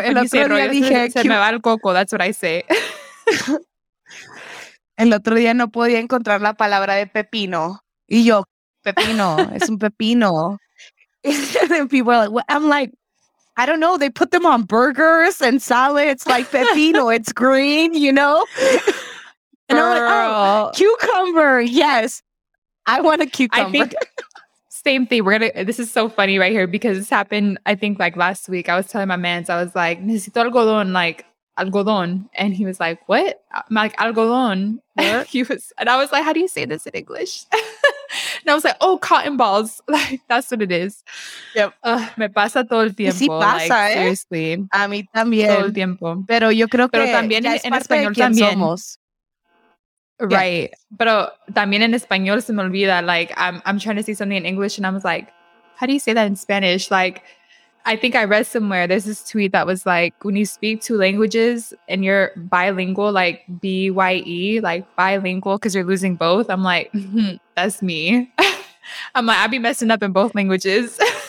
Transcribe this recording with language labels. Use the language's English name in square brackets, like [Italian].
[Spanish] El otro día dije, se me va el coco. [English] That's what I say. [Spanish] El otro día no podía encontrar la palabra de pepino. Y yo, pepino, es un pepino. [English] And then people are like, well, I'm like, I don't know. They put them on burgers and salads like pepino. It's green, you know? And I'm like, oh, cucumber. Yes. I want a cucumber. I think same thing. We're going to, this is so funny right here because this happened, I think, like last week. I was telling my mans, I was like, [Spanish] necesito algodón, [English] like, algodón. And he was like, what? I'm like, algodón. What? And I was like, how do you say this in English? And I was like, oh, cotton balls. Like, that's what it is. Yep. [Spanish] Me pasa todo el tiempo. Sí pasa, [English] like, seriously. [Spanish] A mí también. Todo el tiempo. Pero yo creo que pero también ya en español también. Somos. [English] Right. Yeah. [Spanish] Pero también en español se me olvida. [English] Like, I'm trying to say something in English and I was like, how do you say that in Spanish? Like, I think I read somewhere, there's this tweet that was like, when you speak two languages and you're bilingual, like B-Y-E, like bilingual, because you're losing both. I'm like, that's me. I'm like, I'd be messing up in both languages.